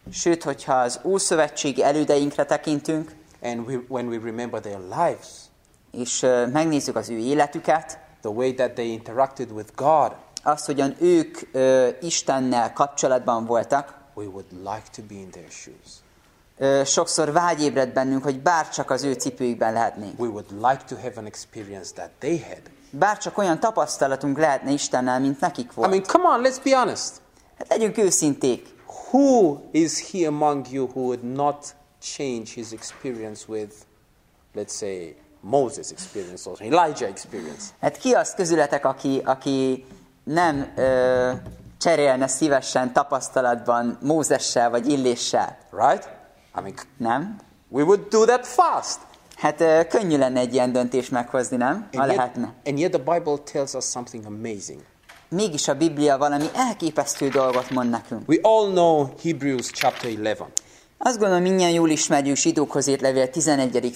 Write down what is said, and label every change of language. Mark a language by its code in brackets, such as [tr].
[hu] Sőt, hogyha az Ószövetségi elődeinkre tekintünk, [en] and when we remember their lives, [hu] és megnézzük az ő életüket, [en] the way that they interacted with God, [hu] azt, hogyan ők Istennel kapcsolatban voltak, [en] we would like to be in their shoes. [hu] Sokszor vágy ébred bennünk, hogy bárcsak az ő cipőjükben lehetnénk. [en] We would like to have an experience that they had. [hu] Bárcsak olyan tapasztalatunk lehetne Istennel, mint nekik volt. [en] I mean, come on, let's be honest. [hu] Hát legyünk őszinték. [en] Who is he among you who would not change his experience with, let's say, Moses' experience or Elijah's experience? [hu] Hát ki az közületek, aki nem cserélne szívesen tapasztalatban Mózessel vagy Illéssel? [en] Right? I mean, [hu] nem? [en] We would do that fast. [hu] Hát könnyű lenne egy ilyen döntést meghozni, nem? Ha [en] and [hu] lehetne. [en] Yet, and yet the Bible tells us something amazing. [hu] Mégis a Biblia valami elképesztő dolgot mond nekünk. [en] We all know Hebrews chapter 11. [hu] Azt gondolom, minnyien jól ismerjük Zsidókhoz írt levél 11.